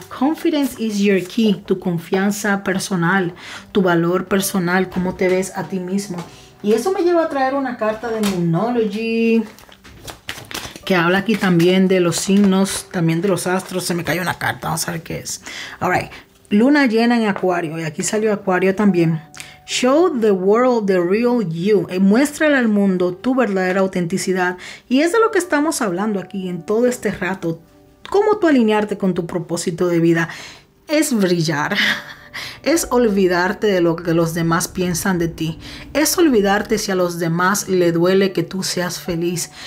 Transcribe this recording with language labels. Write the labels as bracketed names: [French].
[English] Confidence is your key. [Spanish] Tu confianza personal, tu valor personal, cómo te ves a ti mismo. Y eso me lleva a traer una carta de Moonology, que habla aquí también de los signos, también de los astros. Se me cayó una carta, vamos a ver qué es. [English] All right, [Spanish] luna llena en Acuario, y aquí salió Acuario también. [English] Show the world the real you. [Spanish] Muéstrale al mundo tu verdadera autenticidad. Y es de lo que estamos hablando aquí en todo este rato. Cómo tú alinearte con tu propósito de vida. Es brillar. Es olvidarte de lo que los demás piensan de ti. Es olvidarte si a los demás le duele que tú seas feliz.